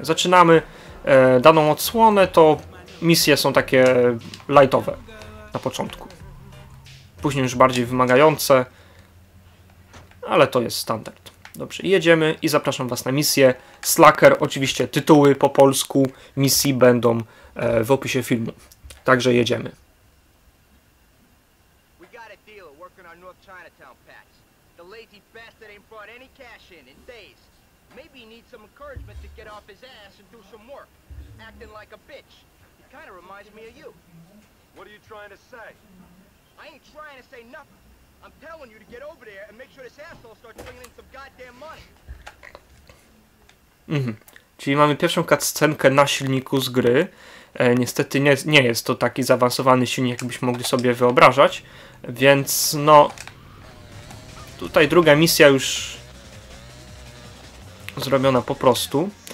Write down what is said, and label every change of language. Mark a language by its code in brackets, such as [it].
[pl] Zaczynamy daną odsłonę, to misje są takie lightowe na początku. Później już bardziej wymagające, ale to jest standard. Dobrze, jedziemy i zapraszam was na misję Slacker. Oczywiście tytuły po polsku misji będą w opisie filmu. Także jedziemy. [en] We got a dealer working on North Chinatown patch. The lazy bastard ain't brought any cash in days. Maybe he needs some encouragement to get off his ass and do some work. Acting like a bitch. It kind of reminds me of you. What are you trying to say? I ain't trying to say nothing. I'm telling you to get over there and make sure this asshole starts bringing in some goddamn money. [pl] Czyli mamy pierwszą cutscenkę na silniku z gry. Niestety nie jest to taki zaawansowany silnik, jakbyśmy mogli sobie wyobrażać, więc no tutaj druga misja już zrobiona po prostu.